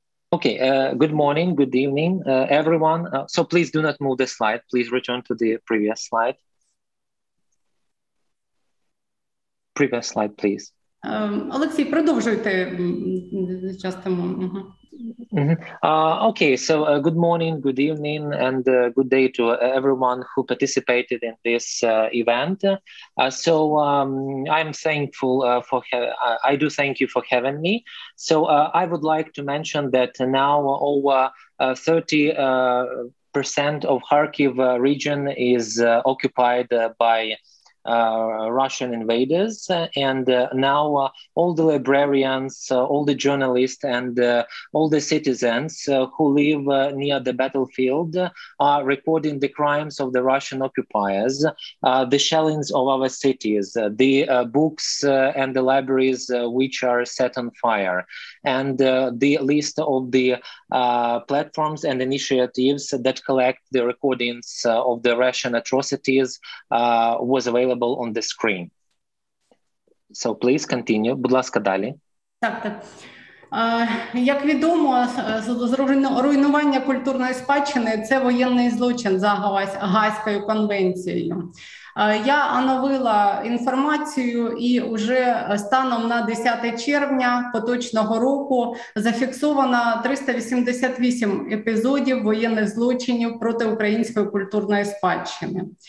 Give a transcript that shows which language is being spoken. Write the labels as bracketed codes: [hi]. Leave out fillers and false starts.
[en] Okay, good morning, good evening, everyone. So please do not move the slide. Please return to the previous slide. Previous slide, please. [uk] Олексій, продовжуйте частину. [en] Okay, so good morning, good evening, and good day to everyone who participated in this event. I'm thankful for I do thank you for having me. So I would like to mention that now over 30% of Kharkiv region is occupied by Russian invaders, and now all the librarians, all the journalists, and all the citizens who live near the battlefield are recording the crimes of the Russian occupiers, the shellings of our cities, the books and the libraries which are set on fire, and the list of the platforms and initiatives that collect the recordings of the Russian atrocities was available on the screen. So please continue. [uk] Будь ласка, далі. Так. Як відомо, руйнування культурної спадщини – це воєнний злочин за Гаазькою конвенцією. Я оновила інформацію, і вже станом на 10 червня поточного року зафіксовано 388 епізодів воєнних злочинів проти української культурної спадщини.